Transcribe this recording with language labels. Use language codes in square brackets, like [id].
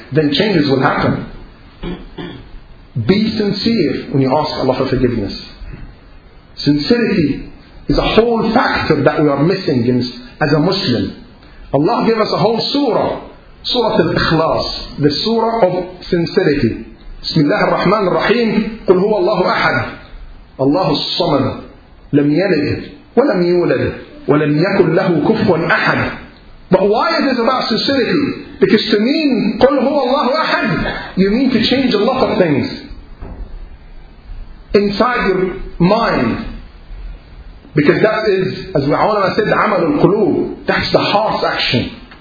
[en] Then changes will happen. Be sincere when you ask Allah for forgiveness. Sincerity is a whole factor that we are missing as a Muslim. Allah gave us a whole surah, Surah Al-Ikhlas, the surah of sincerity. [ar] Bismillah ar-Rahman ar-Rahim, قُلْ هُوَ اللَّهُ أَحَدٌ اللَّهُ الصَّمَدُ لَمْ يَلِدْ وَلَمْ يُولَدْ وَلَمْ يَكُنْ لَهُ كُفُوًا أَحَدٌ. [en] But why is this about sincerity? Because to mean [ar] قُلْ هُوَ اللَّهُ أَحَدٌ, [en] you mean to change a lot of things inside your mind. Because that is, as the ulama said, amal al-qulub. That's the heart's action.